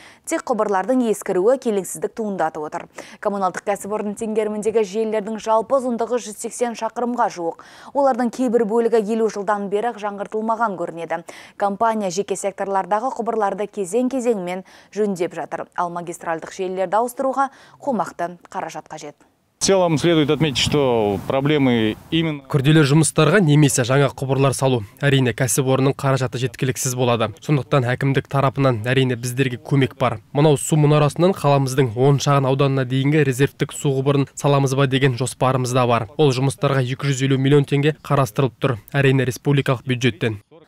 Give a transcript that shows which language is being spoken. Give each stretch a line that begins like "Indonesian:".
Kazakh: Тек құбырлардың ескіруі келеңсіздік туындатып отыр. Коммуналдық кәсіпорын теңгеріміндегі желілердің жалпы ұзындығы 180 шақырымға жуық. Олардың кейбір бөлігі 50 жылдан бері жаңғыртылмаған көрінеді. Компания жеке секторлардағы құбырларды кезең-кезеңмен жөндеп жатыр. Ал магистральдық желілерді ауыстыруға қомақты қаражат қажет.
Russian: В целом следует отметить, что проблемы именно...
Kazakh: Күрделі жұмыстарға немесе жаңа құбырлар салу, әрине кәсіпорынның қаражаты жеткіліксіз болады. Сондықтан әкімдік тарапынан әрине біздерге көмек бар. Мынау су мұнарасынан қаламыздың 10 шағын ауданына дейінгі резервтік су құбырын саламыз ба деген жоспарымыз да бар. Ол жұмыстарға 250 миллион теңге қарастырылып тұр, әрине республикалық бюджеттен.